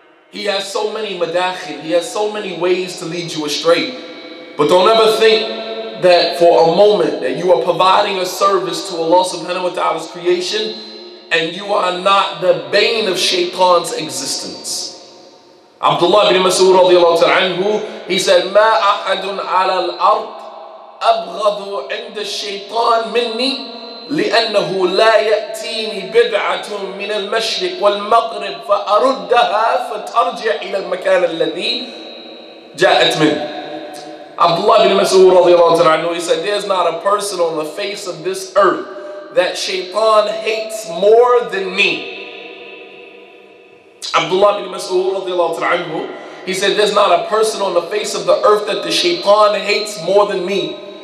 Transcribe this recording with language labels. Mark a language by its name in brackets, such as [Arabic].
[English] He has so many madakhil, he has so many ways to lead you astray. But don't ever think that for a moment that you are providing a service to Allah subhanahu wa ta'ala's creation, and you are not the bane of shaitan's existence. Abdullah ibn Mas'ud radiallahu ta'ala anhu, he said, [Arabic] ما أحد على الأرض أبغض عند الشيطان مني لأنه لا يأتيني بدعة من المشرق والمغرب فأردها فترجع إلى المكان الذي جاءت منه. [English] Abdullah ibn Mas'ud radiallahu ta'ala anhu, he said, there's not a person on the face of this earth that shaitan hates more than me. Abdullah ibn Mas'ud radiallahu ta'ala anhu, he said, there's not a person on the face of the earth that the shaitan hates more than me.